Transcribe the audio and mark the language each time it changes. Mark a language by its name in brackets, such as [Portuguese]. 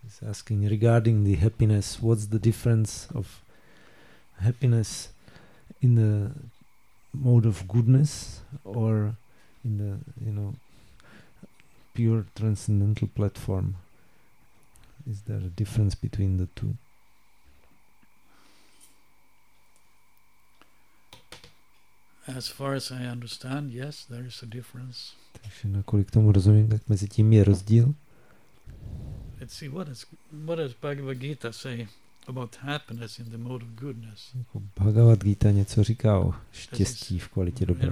[English] Asking regarding the happiness, what's the difference of happiness in the mode of goodness or in the, you know, pure transcendental platform? Is there a difference between the two? As far as I understand, yes, there is a difference. [Czech] Takže nakolik tomu rozumím, tak mezi tím je rozdíl. [English] Let's see, what does Bhagavad Gita say about happiness in the mode of goodness? [Czech] Bhagavad Gita něco říká o štěstí v kvalitě dobra.